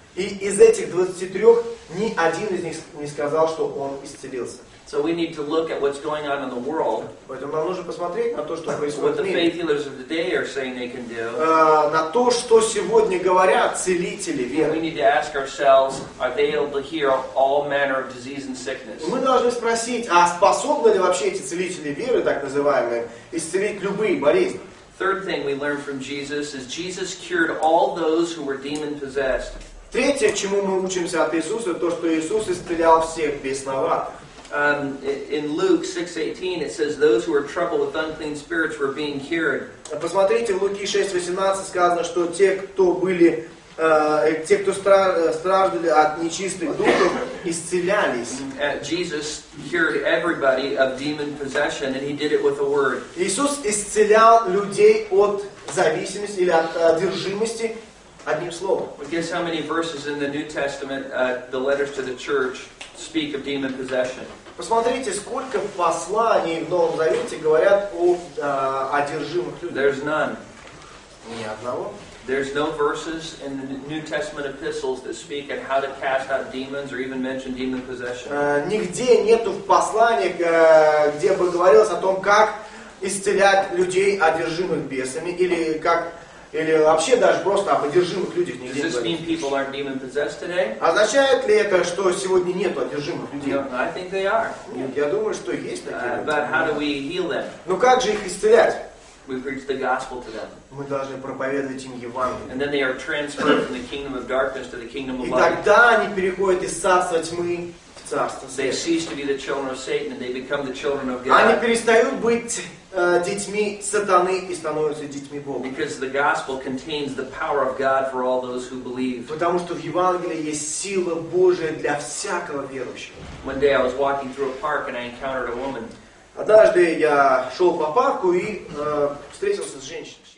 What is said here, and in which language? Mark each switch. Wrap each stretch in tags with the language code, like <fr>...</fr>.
<ru>И из этих 23 ни один из них не сказал, что он исцелился.</ru> <en>So we need to look at what's going on in the world.</en> <ru>Поэтому нам нужно посмотреть на то, что происходит.</ru> <en>What the faith healers of today are saying they can do.</en> <ru>На то, что сегодня говорят целители веры.</ru> <en>We need to ask ourselves, are they able to heal all manner of disease and sickness?</en> <ru>Мы должны спросить, а способны ли вообще эти целители веры, так называемые, исцелить любые болезни?</ru> <en>Third thing we learn from Jesus is Jesus cured all those who were demon possessed.</en> <ru>Третье, чему мы учимся от Иисуса, то, что Иисус исцелял всех бесноватых.</ru> <en>In Luke 6:18 it says those who were troubled with unclean spirits were being cured.</en> <ru>Посмотрите, в Луки 6:18 сказано, что те, кто были те, кто страждали от нечистых духов, исцелялись.</ru> <en>Jesus cured everybody of demon possession and he did it with a word.</en> <ru>Иисус исцелял людей от зависимости или от одержимости одним словом.</ru> <en>Well, guess how many verses in the New Testament, the letters to the church, speak of demon possession.</en> <ru>Посмотрите, сколько посланий в Новом Завете говорят о одержимых людях.</ru> <en>There's none.</en> <ru>Ни одного.</ru> <en>There's no verses in the New Testament epistles that speak of how to cast out demons or even mention demon possession.</en> <ru>Нигде нету в посланиях, где бы говорилось о том, как исцелять людей, одержимых бесами, или как... Или вообще даже просто об одержимых людях не говорится. Означает ли это, что сегодня нет одержимых людей?</ru> <en>I think they are.</en> <ru>Нет, я думаю, что есть такие.</ru> <en>But how do we heal them?</en> <ru>Но как же их исцелять?</ru> <en>We preach the gospel to them.</en> <ru>Мы должны проповедовать им Евангелие.</ru> <en>And then they are transferred from the kingdom of darkness to the kingdom of light.</en> <ru>И тогда они переходят из царства тьмы в царство света.</ru> <en>They cease to be the children of Satan and they become the children of God.</en> <ru>Они перестают быть детьми сатаны и становятся детьми Бога.</ru> <en>Because the gospel contains the power of God for all those who believe.</en> <ru>Потому что в Евангелии есть сила Божия для всякого верующего.</ru> <en>One day I was walking through a park and I encountered a woman.</en> <ru>Однажды я шел по парку и встретился с женщиной.</ru>